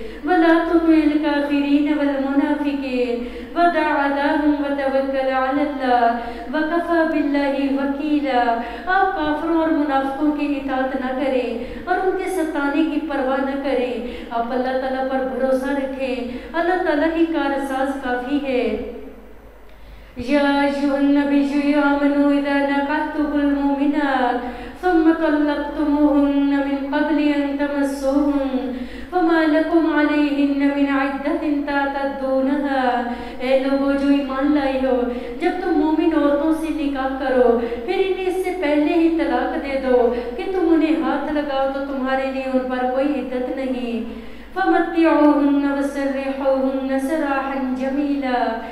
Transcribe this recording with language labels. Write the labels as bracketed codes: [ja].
[ar] ولا تطع الكافرین والمنافقین ودع عداهم وتوکل علی اللہ وکفا باللہ وکیلا. [ur] آپ کافروں اور منافقوں کی اطاعت نہ کریں اور ان کے ستانے کی پرواہ نہ کریں. آپ اللہ تعالیٰ پر بھروسہ رکھیں اللہ تعالیٰ ہی کارساز کافی ہے. [ar] یا ایھا النبی آمنوا اذا نکحتم المؤمنات ثم طلقتموهن من قبل ان تمسوهن فما لكم عليهن من عدة تعتدونها. [ur] اے لوگو جو ایمان لائے ہو جب تم مومن عورتوں سے نکاح کرو پھر انہیں اس سے پہلے ہی طلاق دے دو کہ تم انہیں ہاتھ لگاؤ تو تمہارے لیے ان پر کوئی عدت نہیں. [ar] فمتعوهن وسرحوهن سراحا جميلا.